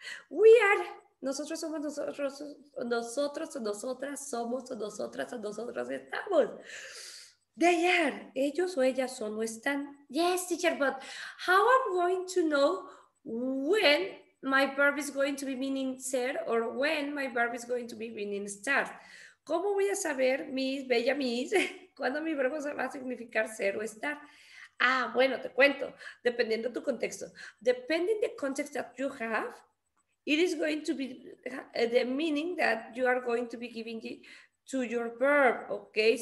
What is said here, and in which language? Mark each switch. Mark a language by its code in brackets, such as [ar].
[en] We are, [es] nosotros somos nosotros, nosotros o nosotras somos o nosotras estamos. [en] They are, [es] ellos o ellas son o están. [en] Yes, teacher, but how am I going to know when my verb is going to be meaning ser or when my verb is going to be meaning start? [es] ¿Cómo voy a saber, mis, bella mis, cuándo mi verbo va a significar ser o estar? Ah, bueno, te cuento, dependiendo de tu contexto. [en] Depending the context that you have, it is going to be the meaning that you are going to be giving to your verb, okay?